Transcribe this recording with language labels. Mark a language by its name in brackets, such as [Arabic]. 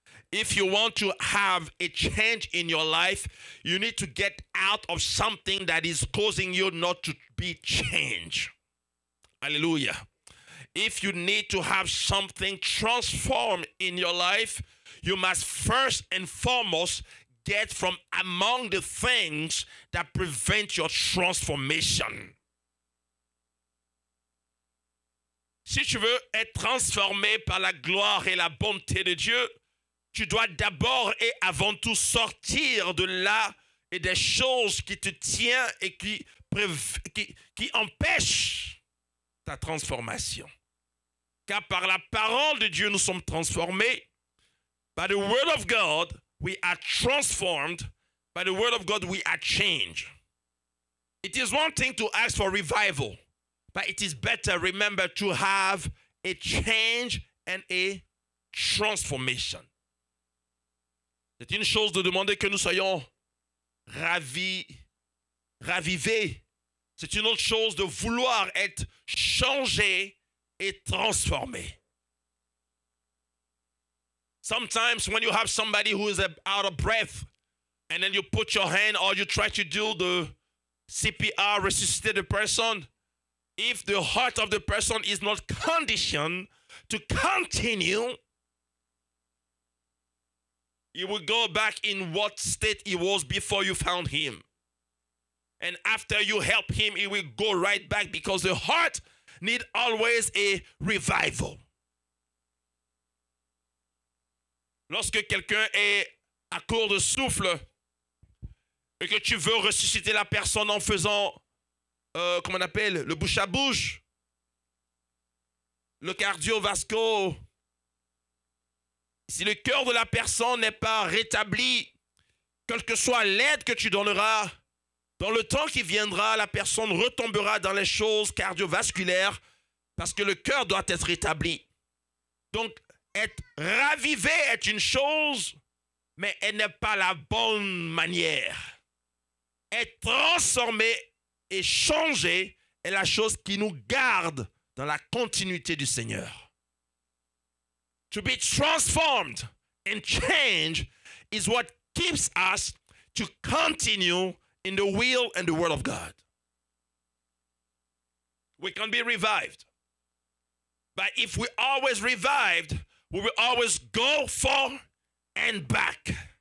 [English] If you want to have a change in your life, you need to get out of something that is causing you not to be changed. Hallelujah. If you need to have something transformed in your life, you must first and foremost get from among the things that prevent your transformation. [French] Si tu veux être transformé par la gloire et la bonté de Dieu, tu dois d'abord et avant tout sortir de là et des choses qui te tiennent et qui empêchent ta transformation. Car par la parole de Dieu, nous sommes transformés. [English] By the word of God, we are transformed. By the word of God, we are changed. It is one thing to ask for revival, but it is better, remember, to have a change and a transformation. [French] C'est une chose de demander que nous soyons ravivés. C'est une autre chose de vouloir être changé et transformé. [English] Sometimes when you have somebody who is out of breath and then you put your hand or you try to do the CPR, resuscitate the person, if the heart of the person is not conditioned to continue, he will go back in what state he was before you found him. And after you help him, he will go right back because the heart need always a revival. [French] Lorsque quelqu'un est à court de souffle et que tu veux ressusciter la personne en faisant, comment on appelle, le bouche à bouche, le cardiovasculaire, si le cœur de la personne n'est pas rétabli, quelle que soit l'aide que tu donneras, dans le temps qui viendra, la personne retombera dans les choses cardiovasculaires parce que le cœur doit être rétabli. Donc, être ravivé est une chose, mais elle n'est pas la bonne manière. Être transformé et changé est la chose qui nous garde dans la continuité du Seigneur. [English] To be transformed and changed is what keeps us to continue in the will and the word of God. We can be revived. But if we always revived, we will always go forth and back.